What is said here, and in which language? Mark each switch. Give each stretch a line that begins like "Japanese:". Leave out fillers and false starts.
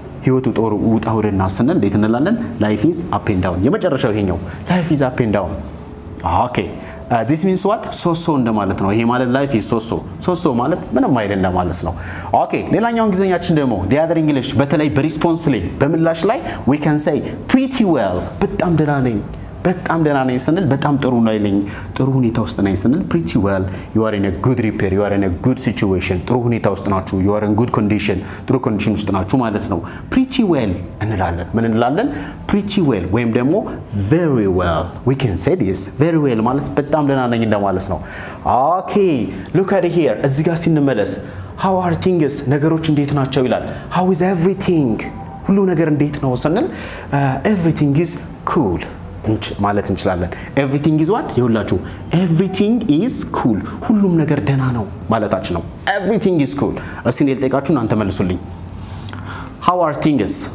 Amharic: ህይወቱ ጦር ውጣውረድናት ስንል እንዴት እንላለን?
English: life is up and down
Amharic: የመጨረሻው ይሄኛው
English: life is up and down okay this means what so
Amharic: እንደማለት ነው። ይሄ ማለት
English: life is so
Amharic: ማለት ምንም አይደለም እንደማለት ነው። okay ሌላኛው እንግሊዘኛችን ደግሞ
English: the other english
Amharic: በተለይ በresponse ላይ በምላሽ ላይ
English: we can say pretty well
Amharic: በጣም ደህና ነኝ በጣም ደህና ነኝ ስንል በጣም ጥሩ ነኝ ልኝ ጥሩ ሁኔታ ውስጥ ነኝ ስንል
English: pretty well you are in a good repair you are in a good situation
Amharic: ጥሩ ሁኔታ ውስጥ ናችሁ
English: you are in good condition
Amharic: ጥሩ condition ውስጥ ናችሁ ማለት ነው። pretty well እንላለን። ምን እንላለን? pretty well ወይም ደግሞ
English: very well we can say this very well
Amharic: ማለት በጣም ደህና ነኝ እንደማለት ነው።
English: okay look at here
Amharic: እዚህ ጋር ሲነመለስ
English: how are things
Amharic: ነገሮች እንዴት ናቸው ይላል።
English: how is everything
Amharic: ሁሉ ነገር እንዴት ነው ስንል
English: everything is cool
Amharic: ማለት እንችላለን።
English: everything is what
Amharic: ይሁላችሁ everything is cool ሁሉም ነገር ደና ነው ማለታችን ነው። everything is cool እስቲ ነው ልጠይቃችሁ እናንተ መልሱልኝ። how are things